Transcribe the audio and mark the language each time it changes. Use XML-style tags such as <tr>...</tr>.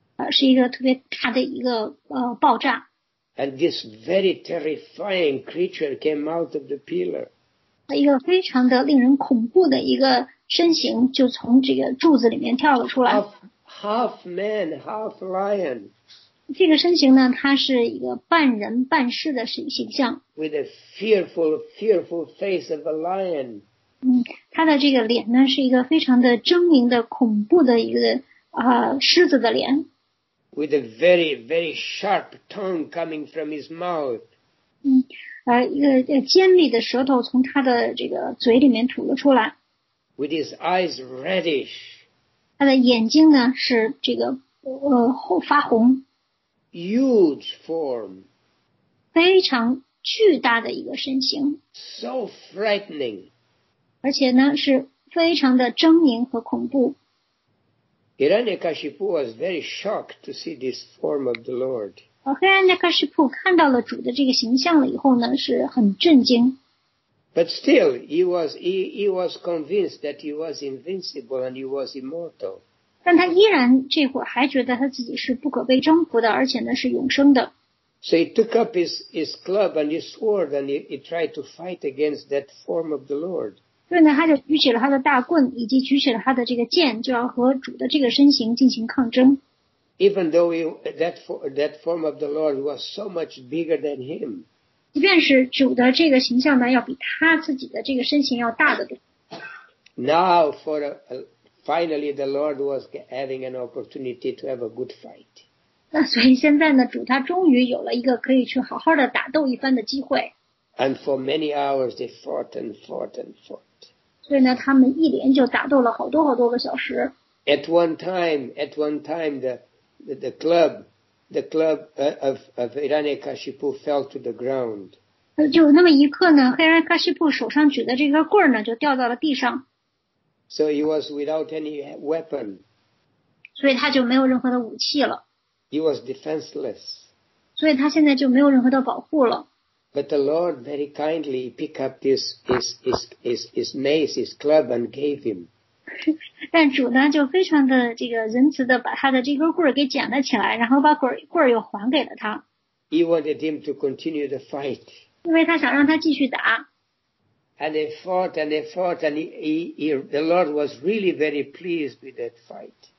<zh>是一个特别大的一个爆炸。</zh> <en>And this very terrifying creature came out of the pillar.</en> <zh>一个非常的令人恐怖的一个身形就从这个柱子里面跳了出来。</zh> <en>Half man, half lion.</en> <zh>这个身形呢，它是一个半人半狮的形象。</zh> <en>With a fearful, fearful face of a lion.</en> <zh>它的这个脸呢，是一个非常的狰狞的、恐怖的一个狮子的脸。</zh> <en>With a very, very sharp tongue coming from his mouth.</en> <zh>一个尖利的舌头从它的这个嘴里面吐了出来。</zh> <en>With his eyes reddish.</en> <zh>它的眼睛呢，是这个发红。</zh> <en>Huge form,</en> <zh>非常巨大的一个身形。</zh> <en>So frightening,</en> <zh>而且呢是非常的狰狞和恐怖。</zh> <en>Hiranyakashipu was very shocked to see this form of the Lord.</en> <zh>而 Hiranyakashipu 看到了主的这个形象了以后呢，是很震惊。</zh> <en>But still, he was convinced that he was invincible and he was immortal.</en> <zh>但他依然这会儿还觉得他自己是不可被征服的，而且呢是永生的。</zh> <en>So he took up his club and his sword and he tried to fight against that form of the Lord.</en> <zh>所以呢，他就举起了他的大棍，以及举起了他的这个剑，就要和主的这个身形进行抗争。</zh> <en>Even though that form of the Lord was so much bigger than him.</en> <zh>即便是主的这个形象呢，要比他自己的这个身形要大得多。</zh> <en>Now finally the Lord was having an opportunity to have a good fight.</en> <zh>那所以现在呢，主他终于有了一个可以去好好的打斗一番的机会。</zh> <en>And for many hours they fought and fought and fought.</en> <zh>所以呢，他们一连就打斗了好多好多个小时。</zh> <en>At one time, the club of Hiranyakashipu fell to the ground.</en> <zh>就那么一刻呢，黑人卡西布手上举的这个棍呢，就掉到了地上。</zh> <en>So he was without any weapon.</en> <zh>所以他就没有任何的武器了。</zh> <en>He was defenseless.</en> <zh>所以他现在就没有任何的保护了。</zh> <en>But the Lord very kindly picked up his mace, his club, and gave him.</en> <zh>但主呢就非常的这个仁慈的把他的这根棍儿给捡了起来，然后把棍儿又还给了他。</zh> <en>He wanted him to continue the fight.</en> <zh>因为他想让他继续打。</zh> <en>And they fought and they fought and the Lord was really very pleased with that fight.</en>